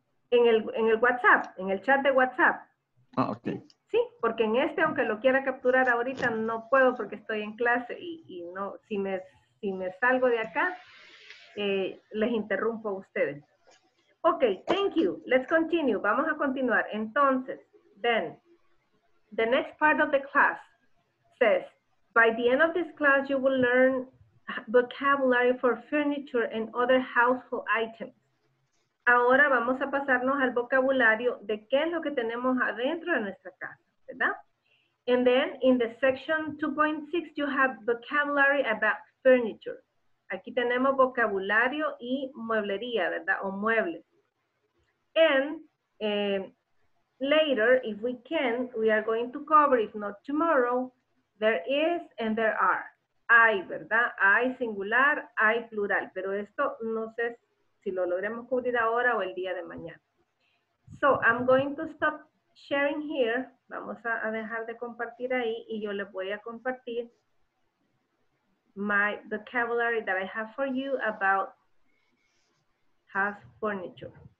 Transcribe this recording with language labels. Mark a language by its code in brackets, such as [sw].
[es] En el WhatsApp, en el chat de WhatsApp. Ah, ok. Sí, porque en este, aunque lo quiera capturar ahorita, no puedo porque estoy en clase y no, si me salgo de acá, les interrumpo a ustedes. [en] Ok, thank you. Let's continue. [es] Vamos a continuar. [en] Entonces, then, the next part of the class says, by the end of this class, you will learn vocabulary for furniture and other household items. [es] Ahora vamos a pasarnos al vocabulario de qué es lo que tenemos adentro de nuestra casa, ¿verdad? [en] And then, in the section 2.6, you have vocabulary about furniture. [es] Aquí tenemos vocabulario y mueblería, ¿verdad? O muebles. [en] And later, if we can, we are going to cover, if not tomorrow, there is and there are. [es] Hay, ¿verdad? Hay singular, hay plural. Pero esto no sé si lo logremos cubrir ahora o el día de mañana. [en] So, I'm going to stop sharing here. [es] Vamos a dejar de compartir ahí y yo les voy a compartir [en] my vocabulary that I have for you about house furniture.